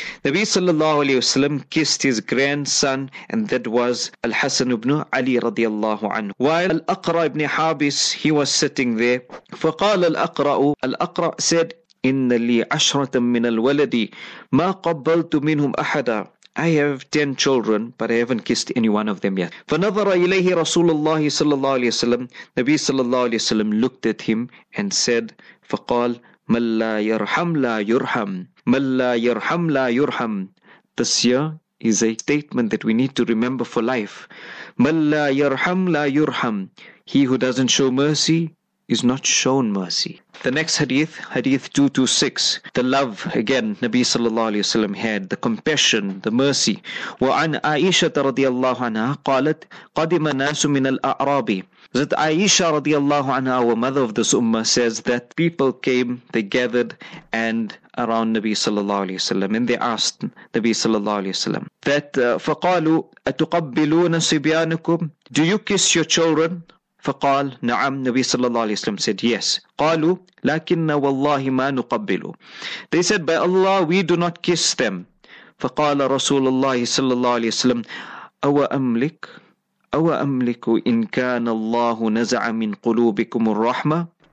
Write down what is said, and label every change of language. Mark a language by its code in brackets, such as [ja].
[en] Nabi [ar] صلى الله عليه وسلم [en] kissed his grandson, and that was الحسن بن علي [ar] رضي الله عنه. [en] While الأقرأ بن حابس, he was sitting there. [ar] فَقَالَ الْأَقْرَأُ, الْأَقْرَأُ said, إن لي عشرة من الولد ما قبلت منهم أحدا. [en] I have 10 children, but I haven't kissed any one of them yet. [ar] فنظر إليه رسول الله صلى الله عليه وسلم. نبي صلى الله عليه وسلم [en] looked at him and said, [ar] فقال من لا يرحم لا يرحم من لا يرحم لا يرحم. [en] This here is a statement that we need to remember for life. [ar] من لا يرحم لا يرحم. [en] He who doesn't show mercy is not shown mercy. The next hadith, hadith 226. The love, again, Nabi sallallahu alayhi wa sallam had, the compassion, the mercy. [ar] وَعَنْ عَائِشَةَ رَضِيَ اللَّهُ عَنْهَا قَالَتْ قَدِمَ نَاسُ مِنَ الْأَعْرَابِ. [en] That Aisha radiallahu anha, our mother of this ummah, says that people came, they gathered and around Nabi sallallahu alayhi wa sallam, and they asked Nabi sallallahu alayhi wa sallam, that [ar] فَقَالُوا أَتُقَبِّلُونَ صِبْيَانَكُمْ. [en] Do you kiss your children? [ar] فقال نعم. نبي صلى الله عليه وسلم [en] said yes. [ar] قالوا لكن والله ما نقبله. [en] They said by Allah we do not kiss them. [ar] فقال رسول الله صلى الله عليه وسلم أو أملك إن كان الله نزع من قلوبكم الرحمة.